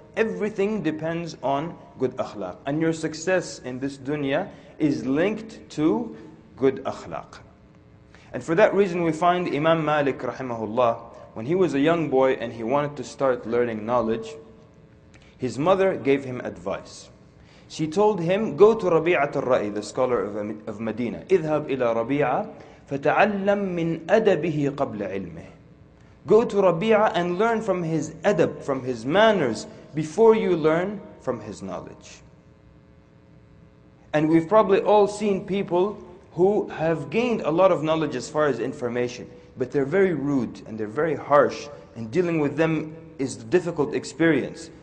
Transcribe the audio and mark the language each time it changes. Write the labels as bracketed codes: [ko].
[en] Everything depends on good akhlaq. And your success in this dunya is linked to good akhlaq. And for that reason, we find Imam Malik rahimahullah, when he was a young boy and he wanted to start learning knowledge, his mother gave him advice. She told him, go to Rabi'at al-Ra'i, the scholar of Medina. [ar] اذهب إلى Rabi'ah, فتعلم من أدبه قبل علمه. [en] Go to Rabi'ah and learn from his adab, from his manners, before you learn from his knowledge. And we've probably all seen people who have gained a lot of knowledge as far as information, but they're very rude and they're very harsh, and dealing with them is a difficult experience.